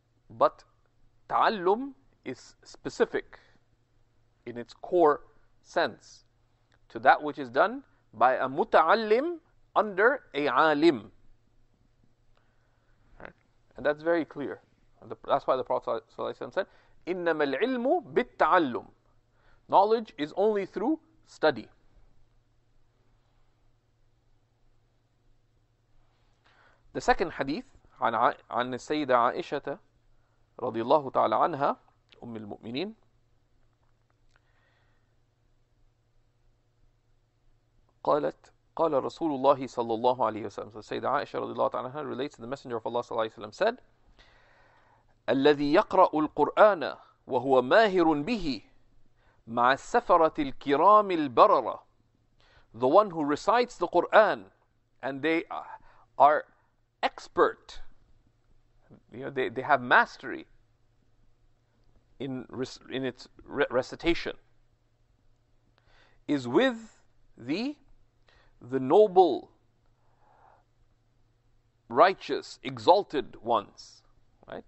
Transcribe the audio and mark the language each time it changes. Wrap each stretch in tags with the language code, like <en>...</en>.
<en>But ta'allum is specific in its core sense to that which is done by a muta'allim under a alim. And that's very clear. That's why the Prophet ﷺ said,</en> <ar>إِنَّمَا الْعِلْمُ بِالتَّعَلُّمُ.</ar> <en>Knowledge is only through study.</en> <ar>The second hadith, عن السيدة عائشة رضي الله تعالى عنها أم المؤمنين قالت قال رسول الله صلى الله عليه وسلم. So سيدة عائشة رضي الله تعالى عنها</ar> <en>relates to the messenger of Allah</en> <ar>صلى الله عليه وسلم said, الذي يقرأ القرآن وهو ماهر به مع السفرة الكرام البررة.</ar> <en>The one who recites the Quran and they are expert, you know, they have mastery in its recitation is with the noble, righteous, exalted ones, right?</en>